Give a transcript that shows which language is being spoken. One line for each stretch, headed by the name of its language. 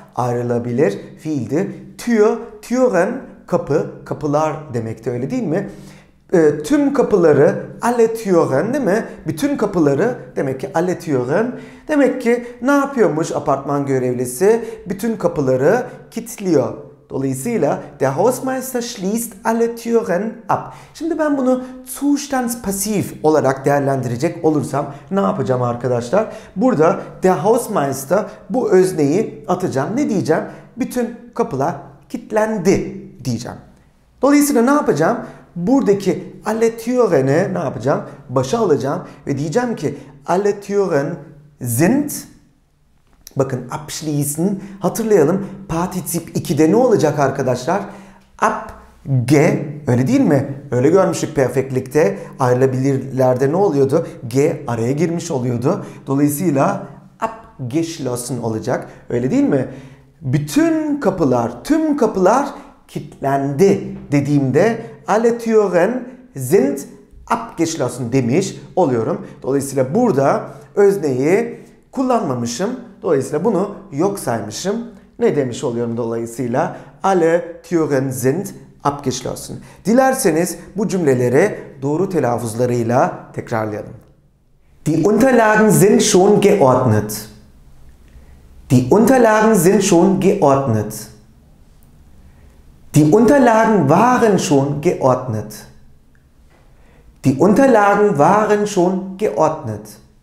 Turkish: Ayrılabilir fiildi. Türen kapı, kapılar demekti, öyle değil mi? Tüm kapıları, alle Türen değil mi? Bütün kapıları demek ki alle Türen. Demek ki ne yapıyormuş apartman görevlisi? Bütün kapıları kilitliyor. Dolayısıyla
German: der Hausmeister schließt alle Türen ab.
Turkish: Şimdi ben bunu zustandspassiv olarak değerlendirecek olursam ne yapacağım arkadaşlar? Burada der Hausmeister bu özneyi atacağım. Ne diyeceğim? Bütün kapılar kilitlendi diyeceğim. Dolayısıyla ne yapacağım? Buradaki alle Türen'i ne yapacağım? Başa alacağım ve diyeceğim ki
German: alle Türen sind,
Turkish: bakın abschließen, hatırlayalım, partizip 2'de ne olacak arkadaşlar? Ab, g, öyle değil mi? Öyle görmüştük perfektlikte. Ayrılabilirlerde ne oluyordu? G araya girmiş oluyordu. Dolayısıyla abgeschlossen olacak. Öyle değil mi? Bütün kapılar, tüm kapılar kilitlendi dediğimde
German: alle Türen sind abgeschlossen
Turkish: demiş oluyorum. Dolayısıyla burada özneyi kullanmamışım. Dolayısıyla bunu yok saymışım. Ne demiş oluyorum dolayısıyla?
German: Alle Türen sind abgeschlossen.
Turkish: Dilerseniz bu cümleleri doğru telaffuzlarıyla tekrarlayalım.
German: Die Unterlagen sind schon geordnet. Die Unterlagen sind schon geordnet. Die Unterlagen waren schon geordnet. Die Unterlagen waren schon geordnet.